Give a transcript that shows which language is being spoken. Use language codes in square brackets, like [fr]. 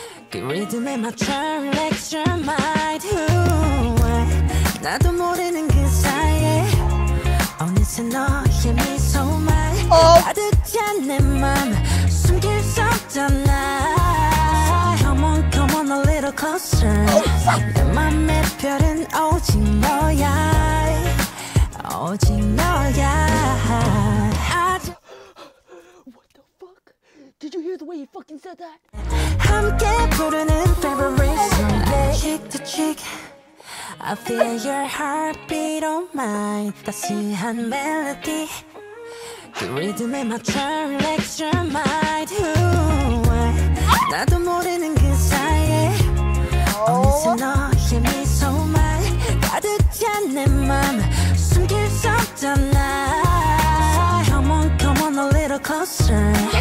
[en] Good rhythm in my turn, next your mind. [ko] Ooh, 나도 모르는 그 사이에 어느새 너의 미소만 가득 찬 내 맘 숨길 수 없잖아. [en] Come on, come on a little closer. [ko] 내 맘에 별은 오직 너야. 오직 너야. [en] Did you hear the way he fucking said that? [ko] 함께 부르는 [en] favorite song. Cheek to cheek, I feel your heartbeat on mine. [ko] 따스한 [en] melody. The rhythm in my turn, next your mind. [ko] Ooh, 나도 모르는 그 사이에 어느새 너의 미소만 가득 찬 내 맘 숨길 수 없잖아. [en] Come on, come on a little closer.